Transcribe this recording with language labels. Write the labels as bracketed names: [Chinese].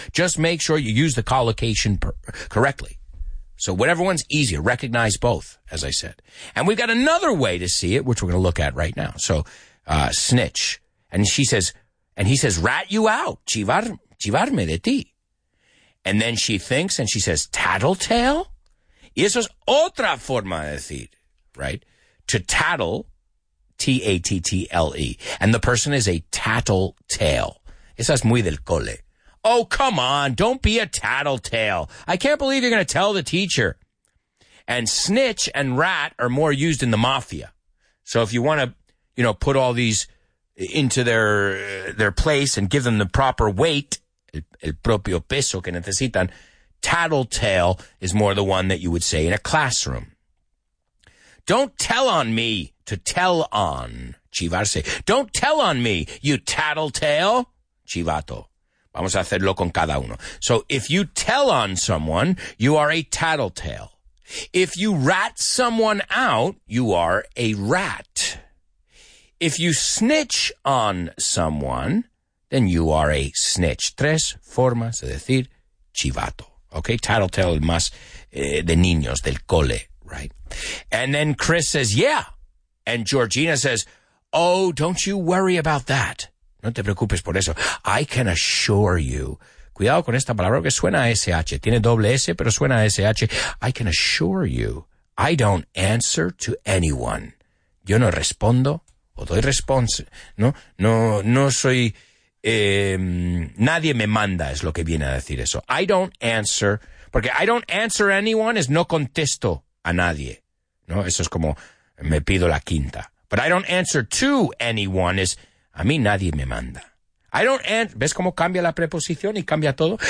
[English] Just make sure you use the collocation correctly. So whatever one's easier, recognize both, as I said. And we've got another way to see it, which we're going to look at right now. So snitch. And she says, and he says, rat you out. [Spanish] Chivarme de ti. [English] And then she thinks and she says, tattletale? [Spanish] Y eso es otra forma de decir, right? [English] To tattle, T-A-T-T-L-E. And the person is a tattletale. [Spanish] Esa es muy del cole. [English] Oh, come on. Don't be a tattletale. I can't believe you're going to tell the teacher. And snitch and rat are more used in the mafia. So if you want to, you know, put all these into their place and give them the proper weight, [Spanish] el propio peso que necesitan, [English] tattletale is more the one that you would say in a classroom. Don't tell on me to tell on, chivarse. Don't tell on me, you tattletale. Chivato. [Spanish] Vamos a hacerlo con cada uno. [English] So if you tell on someone, you are a tattletale. If you rat someone out, you are a rat. If you snitch on someone, then you are a snitch. [Spanish] Tres formas de decir chivato. Okay, tattletale más de niños, del cole, right? [English] And then Chris says, yeah. And Georgina says, oh, don't you worry about that. [Spanish] No te preocupes por eso. [English] I can assure you. [Spanish] Cuidado con esta palabra que suena a SH. Tiene doble S, pero suena a SH. [English] I can assure you. I don't answer to anyone. [Spanish] Yo no respondo o doy response. No, no, no soy... nadie me manda es lo que viene a decir eso. [English] I don't answer. [Spanish] Porque [English] I don't answer anyone [Spanish] es no contesto a nadie. No, eso es como me pido la quinta. [English] But I don't answer to anyone [Spanish] es... A mí nadie me manda. [English] I don't answer. [Spanish] ¿Ves cómo cambia la preposición y cambia todo?